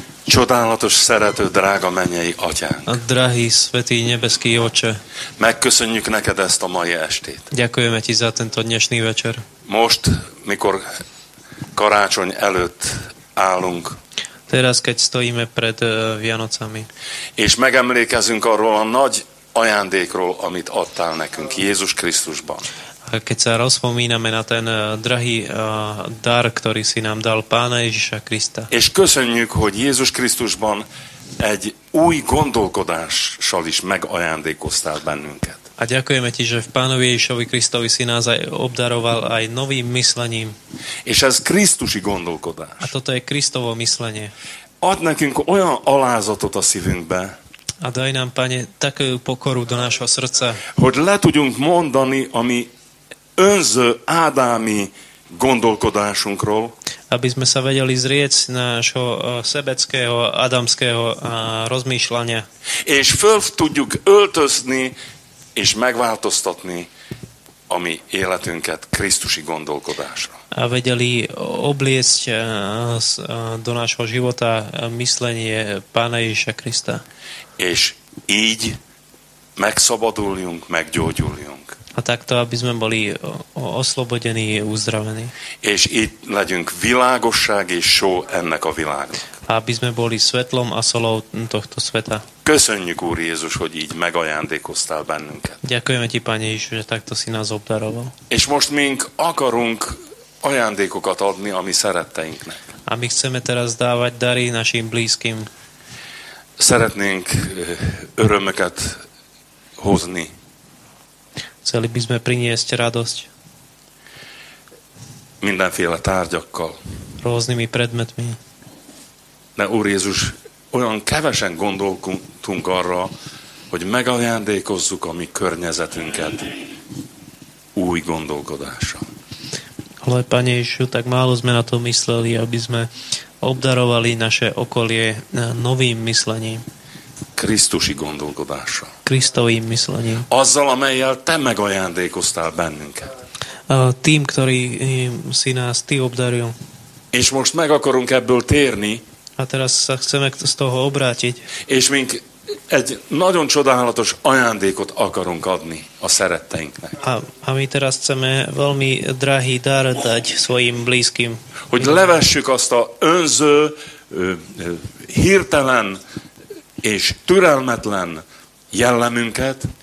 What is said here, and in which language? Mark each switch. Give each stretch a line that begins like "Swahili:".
Hungarian: Csodálatos, szerető, drága mennyei atyánk.
Slovak: A drahý, svätý, nebeský oče.
Hungarian: Megköszönjük neked ezt a mai estét.
Slovak: Ďakujeme ti za tento dnešný večer.
Hungarian: Most, mikor karácsony előtt állunk.
Slovak: Teraz, keď stojíme pred Vianocami.
Hungarian: És megemlékezünk arról a nagy ajándékról, amit adtál nekünk Jézus Krisztusban.
Slovak: A keď sa rozpomíname na ten drahý dar, ktorý si nám dal Pána Ježiša Krista.
Hungarian: És köszönjük, hogy Jézus Krisztusban egy új gondolkodással is megajándékoztál bennünket.
Slovak: A ďakujeme ti, že v Pánovi Ježišovi Kristovi si nás aj obdaroval aj novým myslením.
Hungarian: És ez Krisztusi gondolkodás.
Slovak: A toto je Kristovo myslenie.
Hungarian: Ad nekünk olyan alázatot a szívünkbe.
Slovak: A daj nám, Pane, takú pokoru do nášho srdca.
Hungarian: Hogy le tudjunk mondani, ami önző ádámi gondolkodásunkról.
Slovak: Aby sme sa vedeli zriecť nášho sebeckého, adamského rozmýšľania.
Hungarian: És föl tudjuk öltözni és megváltoztatni a mi életünket Krisztusi gondolkodásra.
Slovak: A vedeli obliecť do nášho života myslenie Pána Ježiša Krista.
Hungarian: És így megszabaduljunk, meggyógyuljunk.
Slovak: A takto, aby sme boli oslobodení, uzdravení.
Hungarian: És itt legyünk világosság és só ennek a világnak.
Slovak: aby sme boli svetlom a solou tohto sveta.
Hungarian: Köszönjük, Úr Jézus, hogy így megajándékoztál bennünket.
Slovak: Ďakujeme ti, Pane Ježiš, že takto si nás obdaroval.
Hungarian: És most mink akarunk ajándékokat adni a mi szeretteinknek.
Slovak: A my chceme teraz dávať dary našim blízkym.
Hungarian: Szeretnénk örömöket hozni.
Slovak: Chceli by sme priniesť radosť.
Hungarian: Mindenféle tárgyakkal.
Slovak: Rôznymi predmetmi.
Hungarian: De Úr Jézus, olyan kevesen gondoltunk arra, hogy megajándékozzuk a mi környezetünket új gondolkodásra.
Slovak: Ale Pane Ježišu, tak málo sme na to mysleli, aby sme obdarovali naše okolie novým myslením.
Hungarian: Krisztusi gondolkodásra.
Slovak: Kristovým myslením.
Hungarian: Azzal, amelyel te megajándékoztál bennünket.
Slovak: Tým, ktorý si nás ty obdaril.
Hungarian: És most meg akarunk ebből térni.
Slovak: A teraz sa chceme z toho obrátiť.
Hungarian: És mink egy nagyon csodálatos ajándékot akarunk adni a szeretteinknek.
Slovak: A my teraz chceme veľmi drahý dar dať svojim blízkym.
Hungarian: Hogy levessük azt a önző, hirtelen és türelmetlen jellemünket.